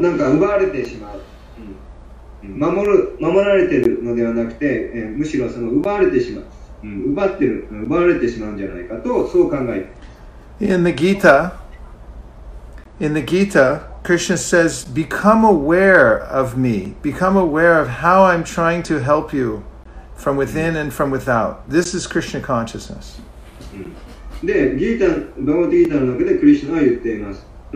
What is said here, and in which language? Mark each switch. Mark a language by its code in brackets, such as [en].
[ja] なんか奪われてしまう。守られてるのではなくて、むしろその奪われてしまう。奪われてしまうんじゃないかと、そう考えて。 [en] In the Gita, Krishna says, become aware of me. Become aware of how I'm trying to help you from within and from without. This is Krishna consciousness. [ja] で、バゴディギータの中でクリシナは言っています。